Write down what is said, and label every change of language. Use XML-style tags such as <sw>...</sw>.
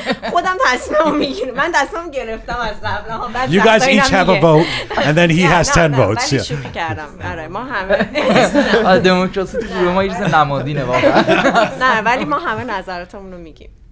<fa>خودم تصمیم میگیرم، من تصمیم گرفتم از قبل.</fa> <en>You guys each have a vote and then he has 10 votes.</en> <fa>ولی شوخی کردم، آره ما همه دموکراسی تو گروه ما یه چیز نمادینه واقعا. نه ولی ما همه نظراتمون رو میگیم.</fa>